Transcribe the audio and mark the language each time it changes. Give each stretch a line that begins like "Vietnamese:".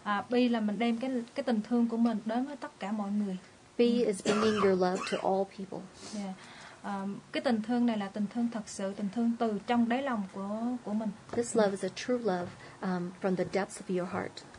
Vietnamese: Bi là mình đem cái tình thương của mình đến với tất cả mọi người.
English: Bi is bringing your love to all people.
Vietnamese: Cái tình thương này là tình thương thật sự, tình thương từ trong đáy lòng của mình.
English: This love is a true love from the depths of your heart.